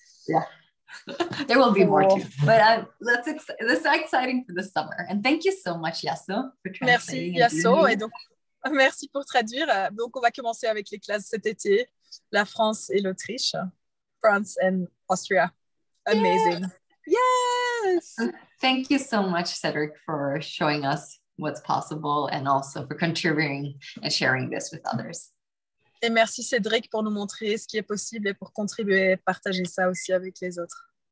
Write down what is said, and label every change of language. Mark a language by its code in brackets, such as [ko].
[en] Yeah. There will be more too. But that's exciting for the summer. And thank you so much, Yasso, for translating. [fr] Merci, Yasso. Et donc, merci pour traduire. Donc, on va commencer avec les classes cet été, la France et l'Autriche. [en] France and Austria. Amazing. Yes! Thank you so much, Cedric, for showing us what's possible and also for contributing and sharing this with others. [fr] Et merci Cédric pour nous montrer ce qui est possible et pour contribuer et partager ça aussi avec les autres.